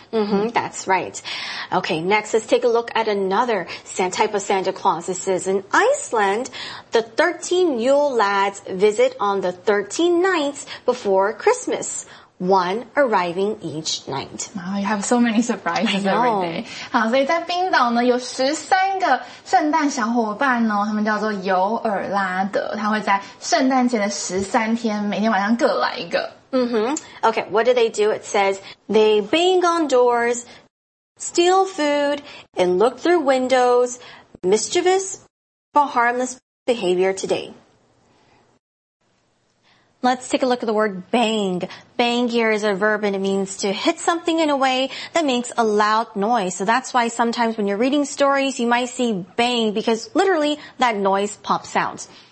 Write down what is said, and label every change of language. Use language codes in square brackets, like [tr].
[en] Mm-hmm, that's right. Okay, next, let's take a look at another type of Santa Claus. This is in Iceland, the 13 Yule lads visit on the 13 nights before Christmas. One arriving each night. Wow, you have so many surprises every day. [zh] 好，所以在冰岛呢，有13个圣诞小伙伴呢，他们叫做尤尔拉德，他会在圣诞前的13天，每天晚上各来一个。 [en] Mm-hmm. Okay, what do they do? It says, they bang on doors, steal food, and look through windows, mischievous but harmless behavior today. Let's take a look at the word bang. Bang here is a verb and it means to hit something in a way that makes a loud noise. So that's why sometimes when you're reading stories, you might see bang because literally that noise pops out.